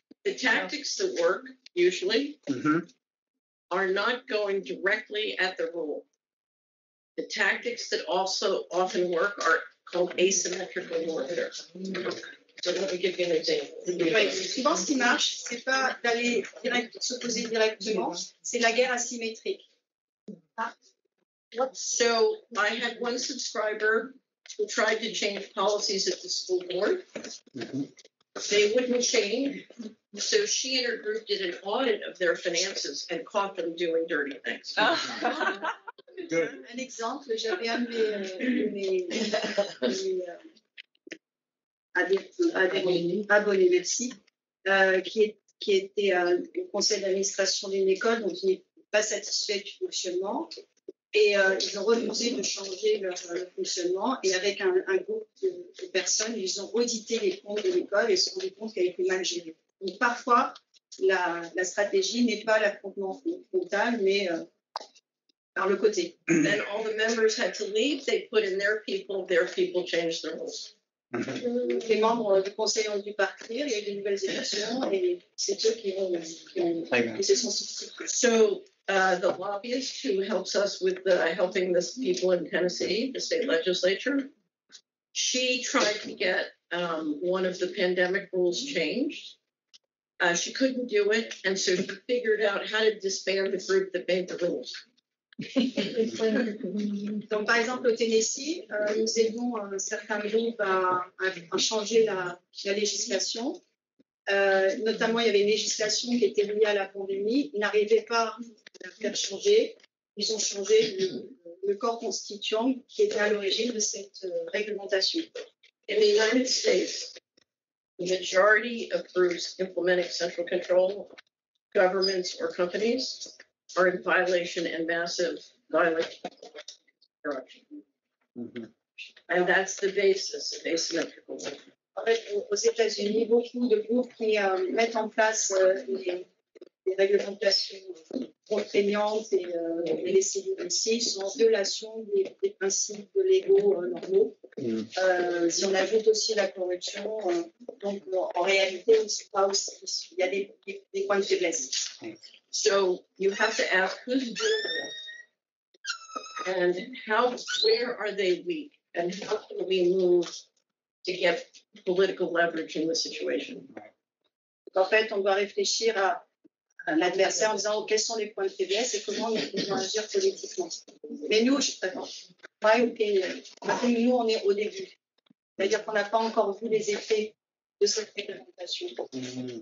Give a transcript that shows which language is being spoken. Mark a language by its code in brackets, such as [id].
[en] The tactics that work usually are not going directly at the rule. The tactics that also often work are called asymmetrical warfare. So let me give you an example. [fr] Oui, souvent, ce qui marche, ce n'est pas d'aller direct, s'opposer directement, c'est la guerre asymétrique. [en] So I had one subscriber who tried to change policies at the school board. They wouldn't change. So she and her group did an audit of their finances and caught them doing dirty things. [fr] Un exemple, j'avais un de mes abonnés, merci, qui était au conseil d'administration d'une école, donc il n'est pas satisfait du fonctionnement. Et ils ont refusé de changer leur fonctionnement. Et avec un groupe de personnes, ils ont audité les comptes de l'école et se sont rendu compte qu'elle était mal gérée. Donc parfois, la stratégie n'est pas l'affrontement frontal, mais par le côté. [en] Then all the members had to leave. They put in their people changed their rules. [fr] Les membres du conseil ont dû partir. Il y a eu des nouvelles élections et c'est eux qui se sont substitués. [en] So, the lobbyist who helps us with helping the people in Tennessee, the state legislature, she tried to get one of the pandemic rules changed. She couldn't do it, and so she figured out how to disband the group that made the rules. [fr] Donc, par exemple, au Tennessee, nous aidons certains groupes à changer la législation. Notamment, il y avait une législation qui était liée à la pandémie. Ils n'arrivaient pas à faire changer. Ils ont changé le corps constituant qui était à l'origine de cette réglementation. [en] In the United States, the majority of groups implementing central control, governments or companies, are in violation and massive violation corruption. Mm-hmm. And that's the basis of asymmetrical violation. [fr] En fait, aux États-Unis, beaucoup de groupes qui mettent en place des réglementations contraignantes et les CDC sont en violation des principes légaux normaux. Si on ajoute aussi la corruption, donc en réalité, il y a des points de faiblesse. [en] So, you have to ask who's doing this and where are they weak and how can we move to get political leverage in the situation. [fr] En fait, on doit réfléchir à l'adversaire en disant oh, quels sont les points de faiblesse et comment nous pouvons agir politiquement. Mais nous, nous, on est au début. C'est-à-dire qu'on n'a pas encore vu les effets de cette réglementation. Mm-hmm.